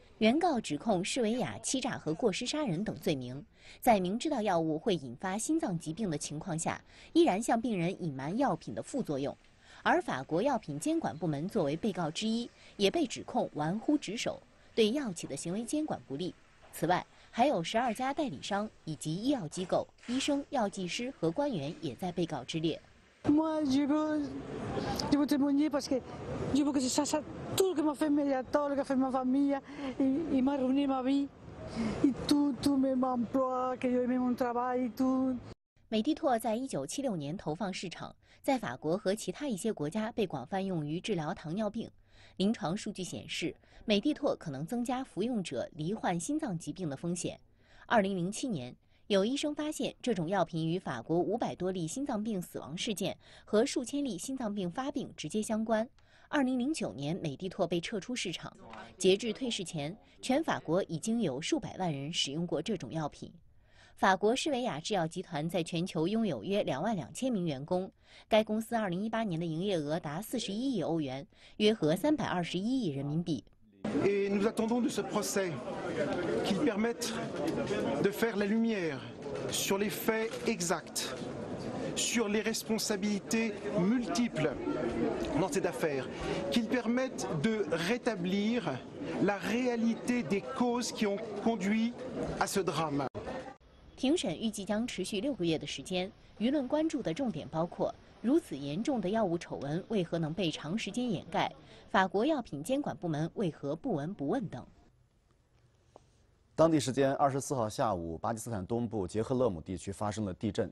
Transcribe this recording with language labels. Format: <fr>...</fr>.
<zh>原告指控施维亚欺诈和过失杀人等罪名，在明知道药物会引发心脏疾病的情况下，依然向病人隐瞒药品的副作用。而法国药品监管部门作为被告之一，也被指控玩忽职守，对药企的行为监管不利。此外，还有12家代理商以及医药机构、医生、药剂师和官员也在被告之列。</zh> <fr>Moi, je veux témoigner parce que je veux que je sache tout ce que m'a fait mes enfants, ce que a fait ma famille, il m'a ruiné ma vie, et tout mes emplois, que j'ai mis mon travail, tout.</fr> <zh>美的唑在1976年投放市场，在法国和其他一些国家被广泛用于治疗糖尿病。临床数据显示，美的唑可能增加服用者罹患心脏疾病的风险。2007年。有医生发现，这种药品与法国500多例心脏病死亡事件和数千例心脏病发病直接相关。 2009年，美的唑被撤出市场。截至退市前，全法国已经有数百万人使用过这种药品。法国施维亚制药集团在全球拥有约22000名员工。该公司2018年的营业额达41亿欧元，约合321亿人民币。</zh> <fr>Et nous attendons de ce procès qu'il permette de faire la lumière sur les faits exacts, sur les responsabilités multiples dans cette affaire, qu'il permette de rétablir la réalité des causes qui ont conduit à ce drame.</fr> <zh>庭审预计将持续6个月的时间，舆论关注的重点包括。如此严重的药物丑闻为何能被长时间掩盖？法国药品监管部门为何不闻不问等。当地时间24号下午，巴基斯坦东部杰赫勒姆地区发生了地震。</zh>